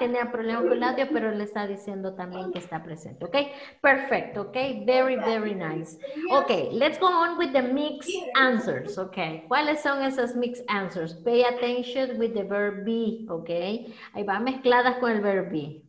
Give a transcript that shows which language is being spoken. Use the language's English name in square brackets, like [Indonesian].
[Spanish] Tenía problema con el audio, pero le está diciendo también que está presente. [English] Okay, perfect. Okay, very, very nice. Okay, let's go on with the mixed answers. Okay, [Spanish] ¿cuáles son esas [English] mixed answers? Pay attention with the verb be. [Spanish] Okay, ahí va mezclada con el verb be.